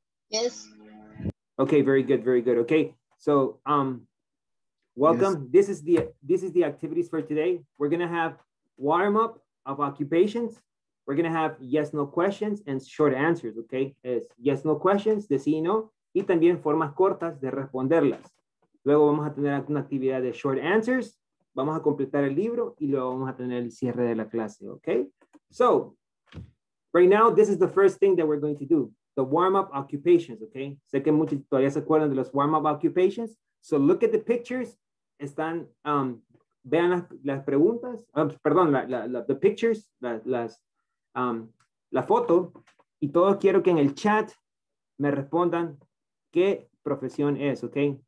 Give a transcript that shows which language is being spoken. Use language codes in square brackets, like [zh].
[en] Yes. Okay, very good, very good. Okay, so welcome. Yes. This is the activities for today. We're gonna have warm-up of occupations. We're gonna have yes-no questions and short answers, okay? [es] Es [en] yes-no questions, [es] de sí y no, y también formas cortas de responderlas. Luego vamos a tener una actividad de short answers, vamos a completar el libro, y luego vamos a tener el cierre de la clase, okay? [en] So, right now, this is the first thing that we're going to do. The warm-up occupations, okay? [es] Sé que muchos todavía se acuerdan de los warm-up occupations. [en] So look at the pictures. [es] Están, vean las preguntas, perdón, [en] the pictures, [es] la foto. Y todos quiero que en el chat me respondan qué profesión es, okay?